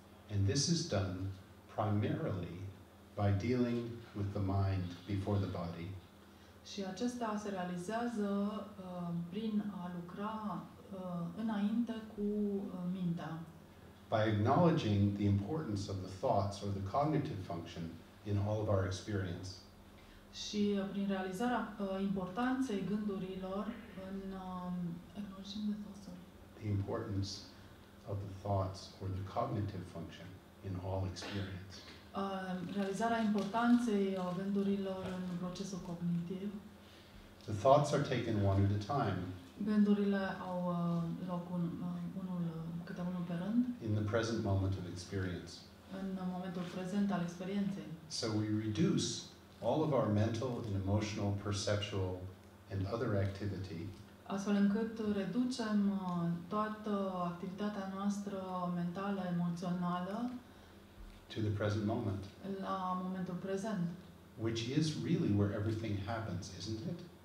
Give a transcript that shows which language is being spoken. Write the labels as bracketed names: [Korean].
[English] And this is done primarily by dealing with the mind before the body. [Romanian] Și acesta se realizează prin a lucra înainte cu mintea. [English] By acknowledging the importance of the thoughts or the cognitive function in all of our experience. [Romanian] Și prin realizarea importanței gândurilor în [English] acknowledging the thoughts. The importance of the thoughts or the cognitive function in all experience. [Romanian] Realizarea importanței gândurilor în procesul cognitiv. [English] The thoughts are taken one at a time. [Romanian] Gândurile au loc unul câte unul pe rând. [English] In the present moment of experience. [Romanian] În momentul prezent al experienței. [English] So we reduce all of our mental and emotional, perceptual and other activity. [Romanian] Astfel încât reducem toată activitatea noastră mentală, emoțională [English] to the present moment. [Romanian] La momentul prezent. [English] Which is really where everything happens, isn't it?